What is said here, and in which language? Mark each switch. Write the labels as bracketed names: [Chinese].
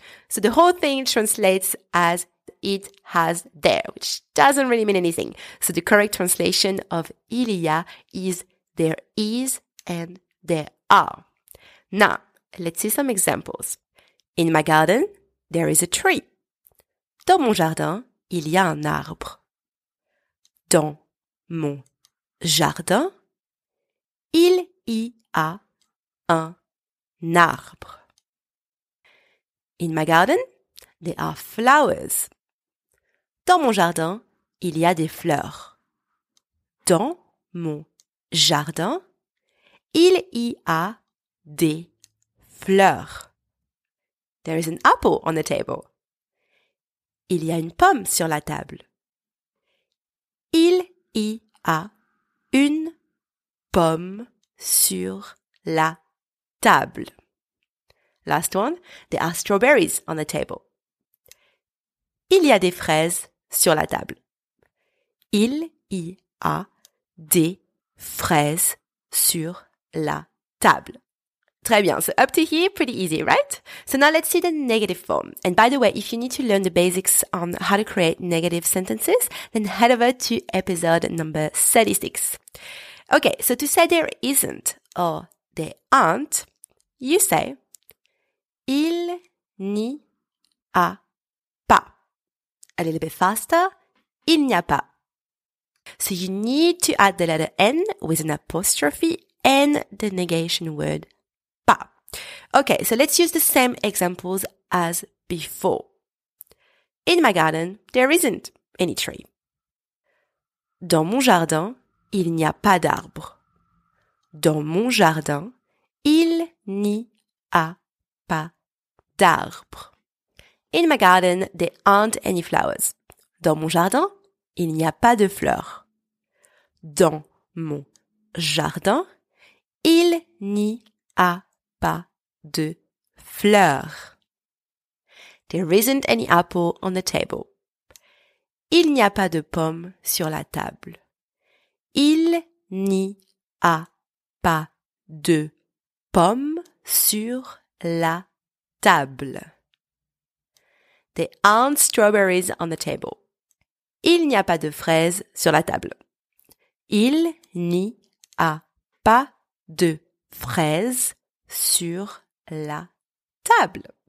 [English] So the whole thing translates as it has there, which doesn't really mean anything. So the correct translation of [French] il y a [English] is there is and there are. Now, let's see some examples. In my garden, there is a tree. [French] Dans mon jardin, il y a un arbre. Dans mon jardin, il y a un arbre. [English] In my garden, there are flowers. [French] Dans mon jardin, il y a des fleurs. Dans mon jardin, il y a des fleurs. [English] There is an apple on the table. [French] Il y a une pomme sur la table. Il y a une pomme sur la table. [English] Last one, there are strawberries on the table. [French] Il y a des fraises sur la table. Il y a des fraises sur la table. Très bien. [English] So up to here, pretty easy, right? So now let's see the negative form. And by the way, if you need to learn the basics on how to create negative sentences, then head over to episode number 36. Okay, so to say there isn't or there aren't, you say [French] il n'y a pas. [English] A little bit faster, [French] il n'y a pas. [English] So you need to add the letter N with an apostrophe and the negation word pas. Okay, so let's use the same examples as before. In my garden, there isn't any tree. [French] Dans mon jardin, il n'y a pas d'arbre. Dans mon jardin, il n'y a pas d'arbre. [English] In my garden, there aren't any flowers. [French] Dans mon jardin, il n'y a pas de fleurs. Dans mon jardin, il n'y a pas de fleurs. [English] There isn't any apple on the table. [French] Il n'y a pas de pomme sur la table. Il n'y a pas de pomme sur la table. [English] There aren't strawberries on the table. [French] Il n'y a pas de fraises sur la table. Il n'y a pas de fraises sur la table.